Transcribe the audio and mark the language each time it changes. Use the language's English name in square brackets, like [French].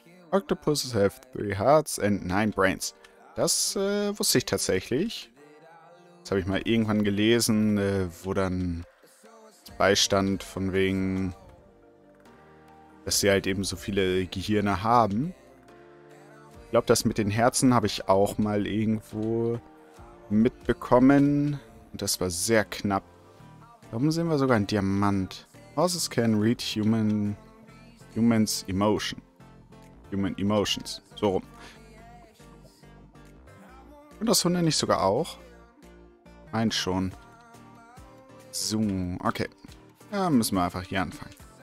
[English] Octopuses have 3 hearts and 9 brains. [German] Das wusste ich tatsächlich. Das habe ich mal irgendwann gelesen, wo dann Beistand von wegen, dass sie halt eben so viele Gehirne haben. Ich glaube, das mit den Herzen habe ich auch mal irgendwo mitbekommen. Und das war sehr knapp. Da oben sehen wir sogar einen Diamant. [English] Horses can read human's emotion. Human emotions. [German] So rum. Und das Hunde nicht sogar auch? Meint schon. So, okay. Da müssen wir einfach hier anfangen.